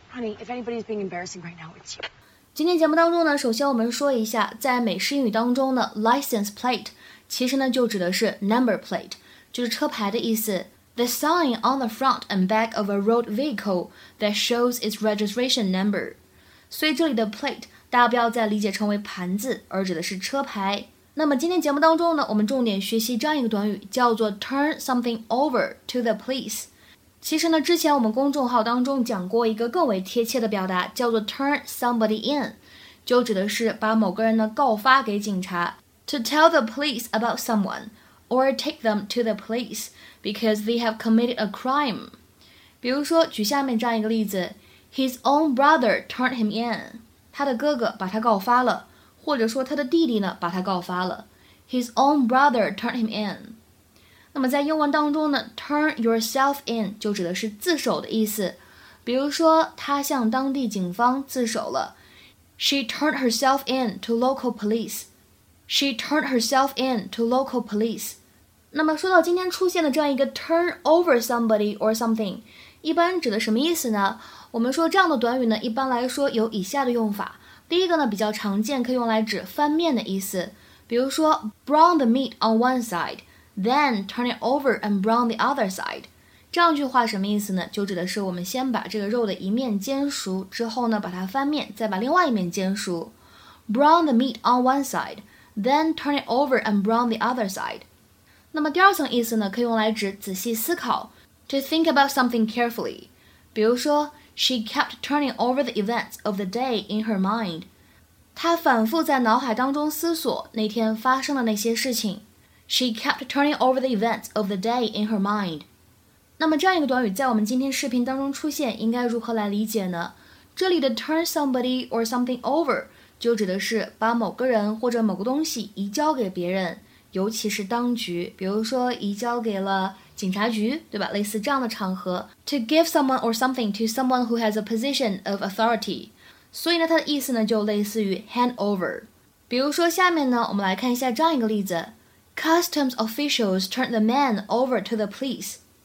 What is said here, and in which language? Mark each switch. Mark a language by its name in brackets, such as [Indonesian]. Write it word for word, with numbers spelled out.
[English] Honey, if anybody's being embarrassing right now, it's you. [Chinese] 今天节目当中呢，首先我们说一下，在美式英语当中呢 ，license plate 其实呢就指的是 number plate， 就是车牌的意思。 [English] The sign on the front and back of a road vehicle that shows its registration number。 [Chinese] 所以这里的 plate 大家不要再理解成为盘子，而指的是车牌。那么今天节目当中呢，我们重点学习这样一个短语，叫做 turn something over to the police。其实呢，之前我们公众号当中讲过一个更为贴切的表达，叫做 turn somebody in， 就指的是把某个人呢告发给警察。 [English] To tell the police about someone or take them to the police because they have committed a crime。 [Chinese] 比如说，举下面这样一个例子 ： [English] His own brother turned him in。 [Chinese] 他的哥哥把他告发了，或者说他的弟弟呢把他告发了。 [English] His own brother turned him in。 [Chinese] 那么在英文当中呢 turn yourself in 就指的是自首的意思，比如说他向当地警方自首了 [English] She turned herself in to local police [Chinese] She turned herself in to local police 那么说到今天出现的这样一个 turn over somebody or something 一般指的什么意思呢？我们说这样的短语呢一般来说有以下的用法。第一个呢比较常见，可以用来指翻面的意思，比如说 [English] brown the meat on one sideThen turn it over and brown the other side. [Chinese] 这样一句话什么意思呢？就指的是我们先把这个肉的一面煎熟，之后呢把它翻面，再把另外一面煎熟。 [English] Brown the meat on one side, then turn it over and brown the other side. [Chinese] 那么第二层意思呢，可以用来指仔细思考 ， [English] to think about something carefully. [Chinese] 比如说 ， [English] She kept turning over the events of the day in her mind. [Chinese] 她反复在脑海当中思索那天发生的那些事情。 [English] She kept turning over the events of the day in her mind. [Chinese] 那么这样一个短语在我们今天视频当中出现，应该如何来理解呢？这里的 turn somebody or something over 就指的是把某个人或者某个东西移交给别人，尤其是当局，比如说移交给了警察局，对吧？类似这样的场合。 [English] To give someone or something to someone who has a position of authority. [Chinese] 所以呢，它的意思呢就类似于 hand over。比如说下面呢，我们来看一下这样一个例子。 [English] Customs officials turned the man over to the police.